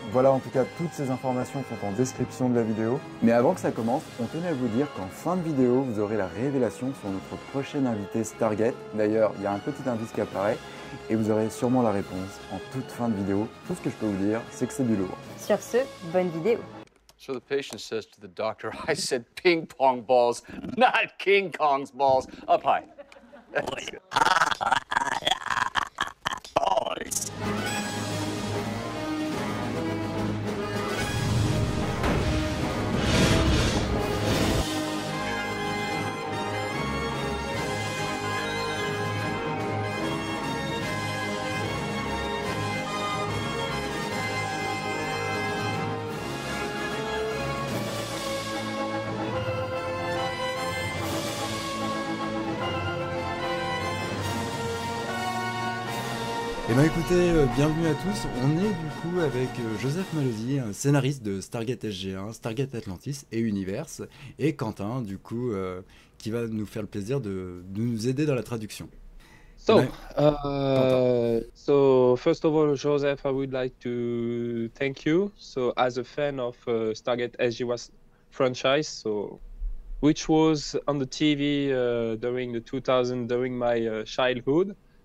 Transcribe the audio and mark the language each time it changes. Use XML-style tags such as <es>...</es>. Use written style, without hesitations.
<fr>Voilà, en tout cas, toutes ces informations sont en description de la vidéo. Mais avant que ça commence, on tenait à vous dire qu'en fin de vidéo, vous aurez la révélation sur notre prochaine invité Stargate. D'ailleurs, il y a un petit indice qui apparaît et vous aurez sûrement la réponse en toute fin de vidéo. Tout ce que je peux vous dire, c'est que c'est du lourd. Sur ce, bonne vidéo.</fr> <en>So the patient says to the doctor, I said ping pong balls, not King Kong's balls. Up high.</en> <fr>Eh bien écoutez, bienvenue à tous, on est du coup avec Joseph Mallozzi, un scénariste de Stargate SG1, Stargate Atlantis et Universe, et Quentin du coup, qui va nous faire le plaisir de nous aider dans la traduction.</fr> <en>So first of all, Joseph, I would like to thank you, so as a fan of Stargate SG1 franchise, so which was on the TV during the 2000, during my childhood.</en>